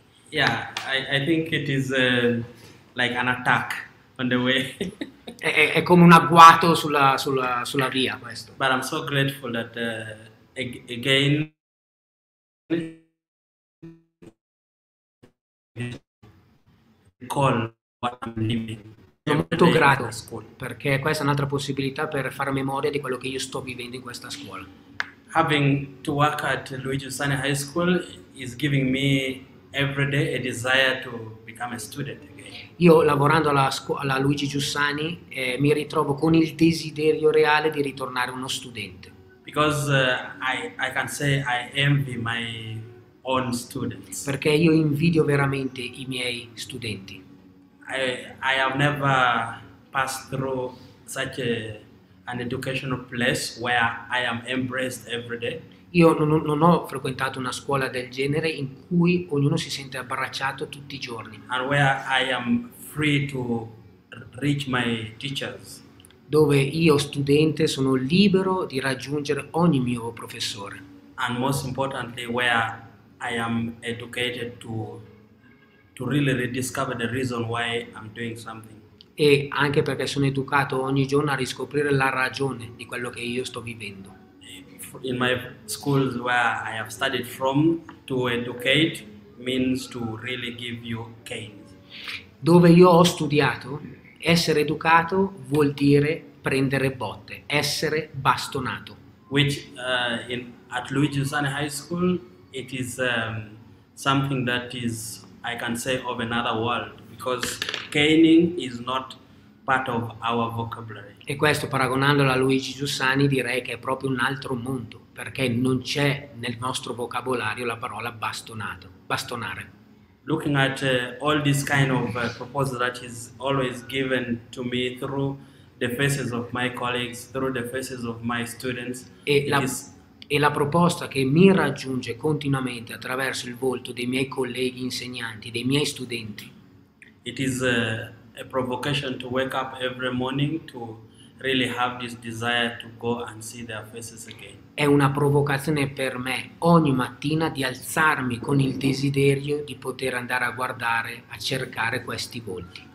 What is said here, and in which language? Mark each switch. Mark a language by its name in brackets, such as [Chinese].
[English] Yeah, I think it is like an attack on the way. [Italian] È come un agguato sulla via questo. [English] But I'm so grateful that again call what I'm living. [Italian] Sono molto grato a scuola perché questa è un'altra possibilità per fare memoria di quello che io sto vivendo in questa scuola. [English] Having to work at Luigi Giussani High School is giving me every day a desire to become a student again. [Italian] Io lavorando alla Luigi Giussani mi ritrovo con il desiderio reale di ritornare uno studente. [English] Because I can say I envy my own students. [Italian] Perché io invidio veramente i miei studenti. [English] I have never passed through such an educational place where I am embraced every day. [Italian] Io non ho frequentato una scuola del genere in cui ognuno si sente abbracciato tutti i giorni. [English] And where I am free to reach my teachers. [Italian] Dove io studente sono libero di raggiungere ogni mio professore. [English] And most importantly where I am educated to really rediscover the reason why I'm doing something. [Italian] E anche perché sono educato ogni giorno a riscoprire la ragione di quello che io sto vivendo. [English] In my schools where I have studied from, to educate means to really give you gains. [Italian] Dove io ho studiato, essere educato vuol dire prendere botte, essere bastonato. [English] Which at Luigi Giussani High School it is something that is I can say of another world, because caning is not part of our vocabulary. [Italian] E questo paragonandolo a Luigi Giussani direi che è proprio un altro mondo, perché non c'è nel nostro vocabolario la parola bastonato, bastonare. [English] Looking at all this kind of proposal that is always given to me through the faces of my colleagues, through the faces of my students. [Italian] E la proposta che mi raggiunge continuamente attraverso il volto dei miei colleghi insegnanti, dei miei studenti. [English] It is a provocation to wake up every morning to really have this desire to go and see their faces again. [Italian] È una provocazione per me ogni mattina di alzarmi con il desiderio di poter andare a guardare, a cercare questi volti.